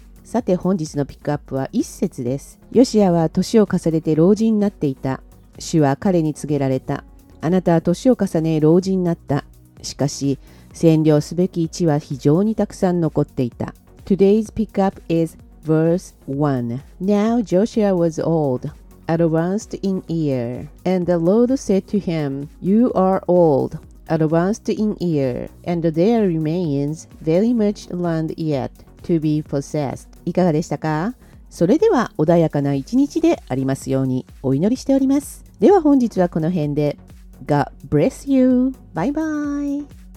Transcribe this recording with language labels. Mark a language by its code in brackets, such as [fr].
[ja] さて、本日のピックアップは一節です。ヨシアは年を重ねて老人になっていた。主は彼に告げられた。あなたは年を重ね老人になった。しかし占領すべき地は非常にたくさん残っていた。 [en] Today's pickup is verse 1. Now Joshua was old, advanced in year, and the Lord said to him, You are old, advanced in year, and there remains very much land yet to be possessed. [ja] いかがでしたか。それでは穏やかな一日でありますようにお祈りしております。では本日はこの辺で。 [en] God bless you. Bye bye.